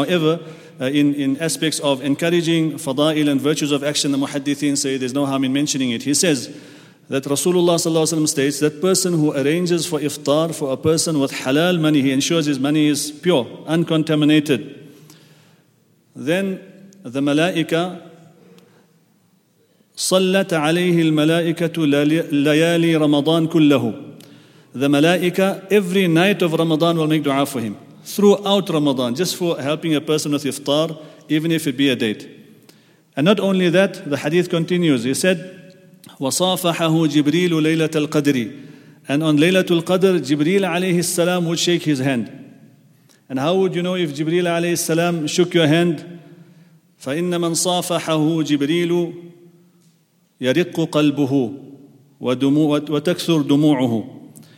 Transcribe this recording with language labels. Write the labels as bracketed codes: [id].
[en] However, in aspects of encouraging fada'il and virtues of action, the muhaddithin say there's no harm in mentioning it. He says that Rasulullah sallallahu alaihi wasallam states that person who arranges for iftar for a person with halal money, he ensures his money is pure, uncontaminated. Then the malaika, [ar] صَلَّتْ عَلَيْهِ الْمَلَائِكَةُ لَيَالِي رَمَضَان كُلَّهُ. [en] The malaika, every night of Ramadan will make dua for him. Throughout Ramadan, just for helping a person with iftar, even if it be a date. And not only that, the hadith continues. He said, [ar] وصافحه جبريل ليلة القدر. [en] And on Laylatul Qadr, Jibreel alayhi salam would shake his hand. And how would you know if Jibreel alayhi salam shook your hand? [ar] فَإِنَّ مَنْ صَافَحَهُ جِبْرِيلُ يَرِقُّ قَلْبُهُ وَتَكْثُرُ دُمُوعُهُ.